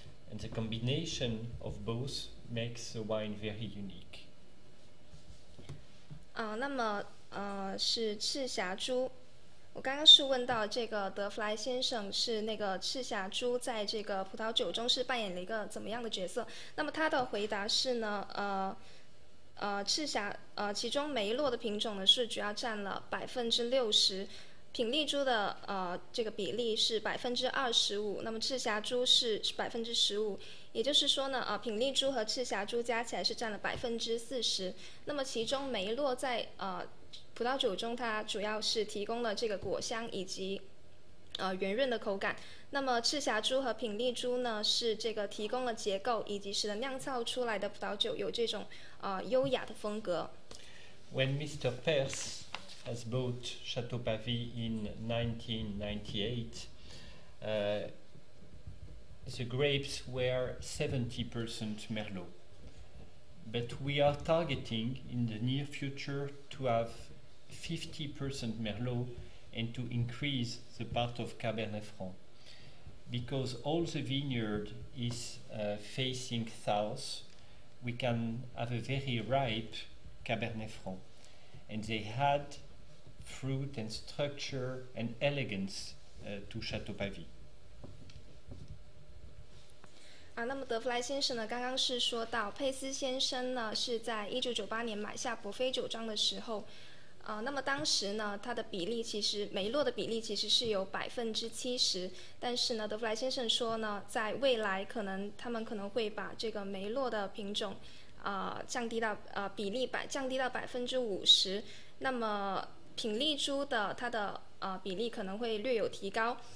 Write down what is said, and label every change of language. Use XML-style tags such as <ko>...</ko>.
<en>And the combination of both makes the wine very unique.</en> <zh>那么是赤霞珠。我刚刚是问到这个德弗莱先生是那个赤霞珠在这个葡萄酒中是扮演了一个怎么样的角色？那么他的回答是呢，赤霞其中梅洛的品种呢是主要占了60%。品丽珠的这个比例是25%，那么赤霞珠是15%，也就是说呢，品丽珠和赤霞珠加起来是占了40%。那么其中梅洛在葡萄酒中，它主要是提供了这个果香以及圆润的口感。那么赤霞珠和品丽珠呢，是这个提供了结构，以及使得酿造出来的葡萄酒有这种优雅的风格。</zh> <en>When Mr. Peirce has bought Chateau Pavie in 1998, the grapes were 70% Merlot. But we are targeting in the near future to have 50% Merlot and to increase the part of Cabernet Franc. Because all the vineyard is facing south, we can have a very ripe Cabernet Franc. And they had fruit and structure and elegance to Chateau Pavie.</en> <zh>那么德弗莱先生呢，刚刚是说到佩斯先生呢是在1998年买下伯菲酒庄的时候，那么当时呢，他的比例其实梅洛的比例其实是有70%，但是呢，德弗莱先生说呢，在未来可能他们可能会把这个梅洛的品种，降低到比例降低到50%，那么品丽珠的它的比例可能会略有提高。</zh>